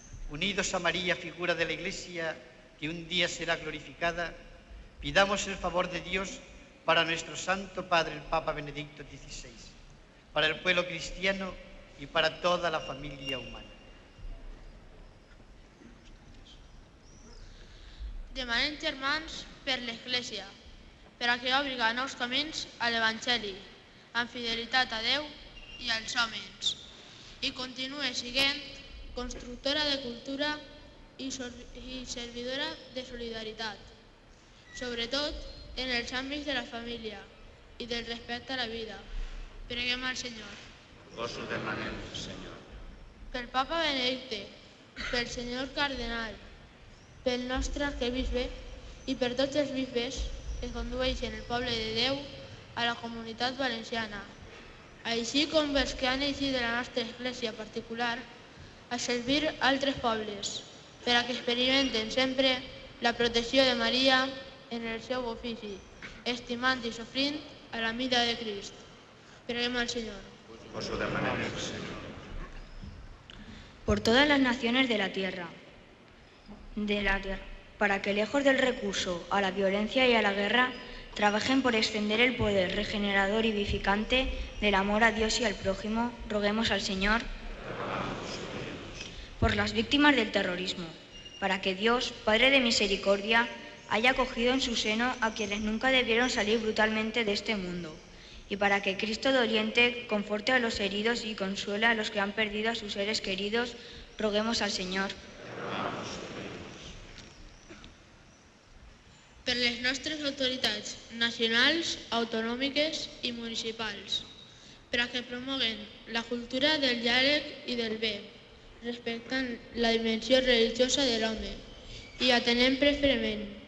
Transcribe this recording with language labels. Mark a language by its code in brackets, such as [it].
[es] Unidos a María, figura de la Iglesia, que un día será glorificada, pidamos el favor de Dios para nuestro Santo Padre, el Papa Benedicto XVI, para el pueblo cristiano y para toda la familia humana. [ca] Demanem, germans, per l'Església, perquè obri els nous camins a l'Evangeli, amb fidelitat a Déu i als homes, i continuï sent constructora de cultura i servidora de solidaritat, sobretot en els àmbits de la família i del respecte a la vida. Preguem al Senyor. Vos ho demanem, Senyor. Pel Papa Benedicte, pel Senyor Cardenal, pel nostre arquebisbe i per tots els bisbes que condueixen el poble de Déu a la comunitat valenciana, així com els que han eixit de la nostra església particular a servir altres pobles, per a que experimenten sempre la protecció de Maria en el seu ofici, estimant i sofrint a la mida de Crist. Preguem al Senyor. [es] Por todas las naciones de la tierra, para que lejos del recurso a la violencia y a la guerra, trabajen por extender el poder regenerador y vivificante del amor a Dios y al prójimo, roguemos al Señor. Por las víctimas del terrorismo, para que Dios, Padre de misericordia, haya acogido en su seno a quienes nunca debieron salir brutalmente de este mundo, y para que Cristo doliente conforte a los heridos y consuele a los que han perdido a sus seres queridos, roguemos al Señor. [ca] Per les nostres autoritats nacionals, autonòmiques i municipals, perquè promoguen la cultura del diàleg i del bé, respectant la dimensió religiosa de l'home i atenent preferentment